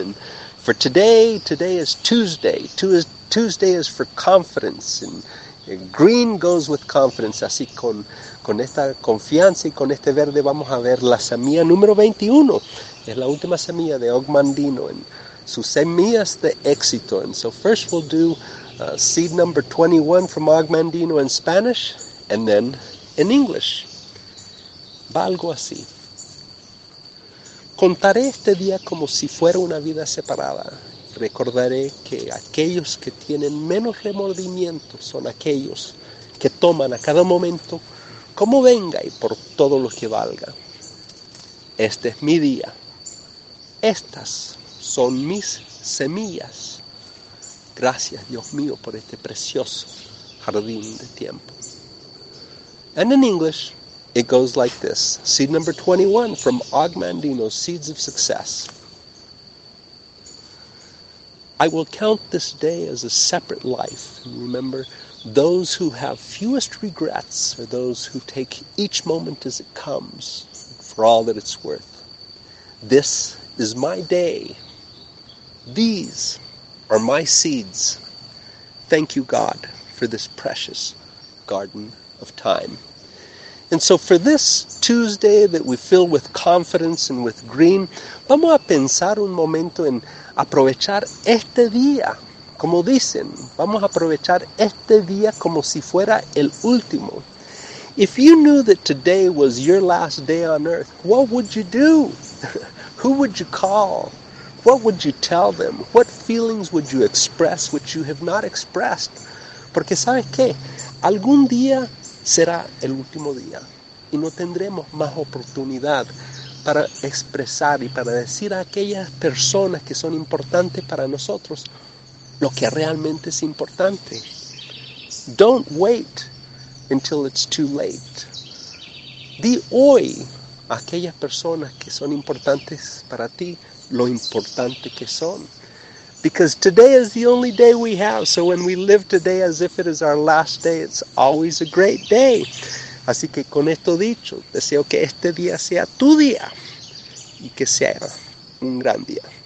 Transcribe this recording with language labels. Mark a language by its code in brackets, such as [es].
[en] And for today is Tuesday. Tuesday is for confidence, and green goes with confidence. [es] Así con esta confianza y con este verde vamos a ver la semilla número 21. Es la última semilla de Ogmandino en sus semillas de éxito. [en] And so first we'll do seed number 21 from Ogmandino in Spanish, and then in English. [es] Va algo así. Contaré este día como si fuera una vida separada. Recordaré que aquellos que tienen menos remordimiento son aquellos que toman a cada momento como venga y por todo lo que valga. Este es mi día. Estas son mis semillas. Gracias, Dios mío, por este precioso jardín de tiempo. [en] And in English, it goes like this. Seed number 21 from Ogmandino's Seeds of Success. I will count this day as a separate life. Remember, those who have fewest regrets are those who take each moment as it comes, for all that it's worth. This is my day. These are my seeds. Thank you, God, for this precious garden of time. And so for this Tuesday that we fill with confidence and with green, [es] vamos a pensar un momento en aprovechar este día. Como dicen, vamos a aprovechar este día como si fuera el último. [en] If you knew that today was your last day on earth, what would you do? Who would you call? What would you tell them? What feelings would you express which you have not expressed? [es] Porque ¿sabes qué? Algún día será el último día y no tendremos más oportunidad para expresar y para decir a aquellas personas que son importantes para nosotros lo que realmente es importante. [en] Don't wait until it's too late. [es] Di hoy a aquellas personas que son importantes para ti lo importante que son. [en] Because today is the only day we have, so when we live today as if it is our last day, it's always a great day. [es] Así que con esto dicho, deseo que este día sea tu día y que sea un gran día.